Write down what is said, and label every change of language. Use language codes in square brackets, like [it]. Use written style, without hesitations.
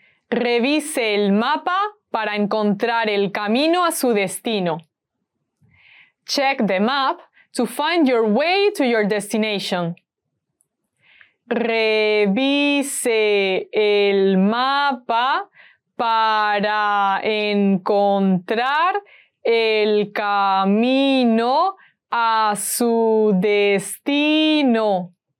[es] Revise el mapa para encontrar el camino a su destino. [en] Check the map to find your way to your destination. [es] Revise el mapa para encontrar el camino a su destino.